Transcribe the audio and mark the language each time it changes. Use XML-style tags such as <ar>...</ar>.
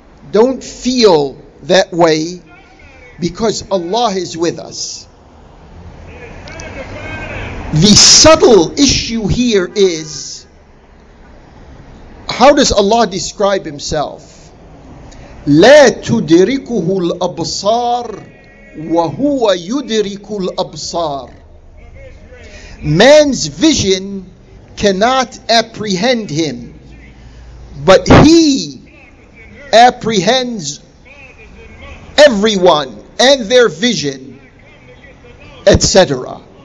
<en>Don't feel that way because Allah is with us. The subtle issue here is, how does Allah describe Himself?</en> <ar>لا تدركه الأبصار وهو يدرك الأبصار.</ar> <en>Man's vision cannot apprehend him, but he apprehends everyone and their vision, etc.</en>